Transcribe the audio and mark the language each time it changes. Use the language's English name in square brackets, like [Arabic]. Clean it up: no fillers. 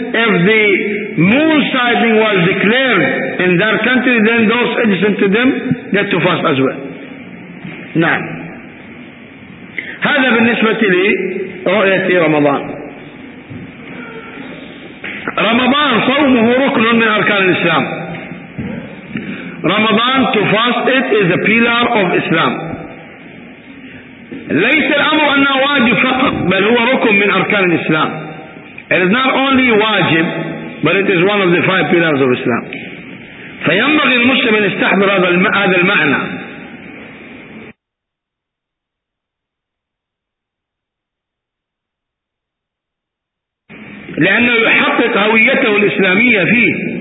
[English] If the moon sighting was declared in their country, then those adjacent to them get to fast as well. [Arabic] نعم، هذا بالنسبة لرؤية رمضان. رمضان صومه ركن من أركان الإسلام. [English] رمضان to fast it is a pillar of Islam. [Arabic] ليس الأمر أنه واجب فقط، بل هو ركن من أركان الإسلام. [English] It is not only واجب but it is one of the five pillars of Islam. [Arabic] فينبغي المسلم أن يستحضر هذا المعنى. لأنه يحقق هويته الإسلامية فيه.